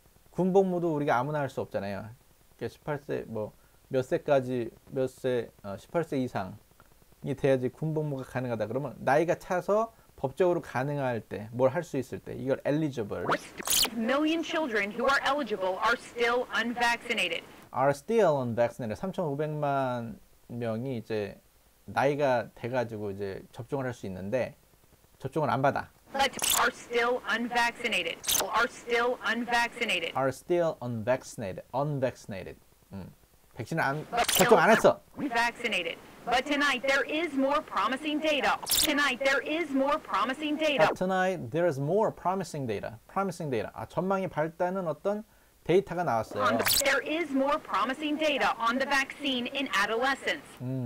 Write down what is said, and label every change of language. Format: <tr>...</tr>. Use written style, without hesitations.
<ko>군복무도 우리가 아무나 할 수 없잖아요. 18세 뭐 몇 세까지 몇 세 18세 이상이 돼야지 군복무가 가능하다. 그러면 나이가 차서 법적으로 가능할 때, 뭘 할 수 있을 때, 이걸 eligible.</ko> <en>Million children who are eligible are still unvaccinated. Are still unvaccinated.</en> <ko>3,500만 명이 이제 나이가 돼가지고 이제 접종을 할 수 있는데 접종을 안 받아.</ko> <en>But are still unvaccinated. Are still unvaccinated. Are still unvaccinated. Unvaccinated.</en> <ko>백신을 안 접종 안 했어.</ko> <en>Unvaccinated. But tonight there is more promising data. Tonight there is more promising data. But tonight there is more promising data. Promising data.</en> <ko>아, 전망이 밝다는 어떤 데이터가 나왔어요.</ko> <en>There is more promising data on the vaccine in adolescents.</en>